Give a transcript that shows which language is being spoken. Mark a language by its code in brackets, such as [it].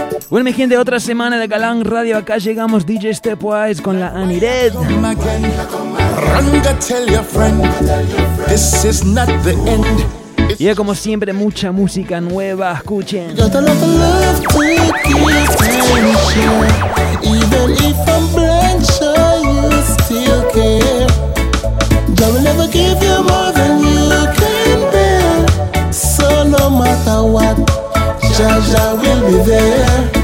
[es] Bueno, mi gente, otra semana de Galán Radio. Acá llegamos DJ Stepwise con la Aniret. [en] Ranga, tell your friend, this is not the end. [es] Y yeah, como siempre, mucha música nueva, escuchen. [en] Got a lot of love to give attention. Even if I'm blind, sure you still care. God will never give you more than you can bear. So no matter what, Jaja will be there.